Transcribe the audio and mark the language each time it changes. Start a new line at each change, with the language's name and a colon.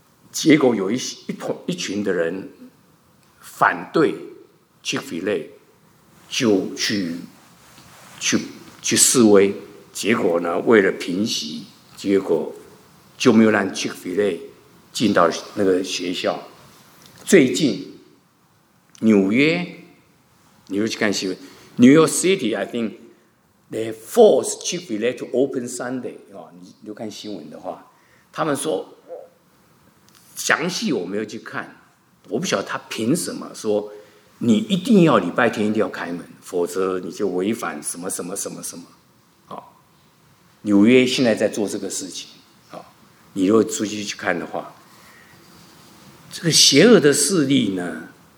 Chinese: 结果有 一群的人反对 Chick-fil-A， 就去示威。结果呢，为了平息，结果就没有让 Chick-fil-A 进到那个学校。最近纽约，你又去看新闻
English: ，New York City， I think they force Chick-fil-A to open Sunday。
Chinese: 哦，你又看新闻的话，他们说详细我没有去看，我不晓得他凭什么说你一定要礼拜天一定要开门，否则你就违反什么什么什么什么。好，哦，纽约现在在做这个事情。好，哦，你如果出去去看的话，这个邪恶的势力呢？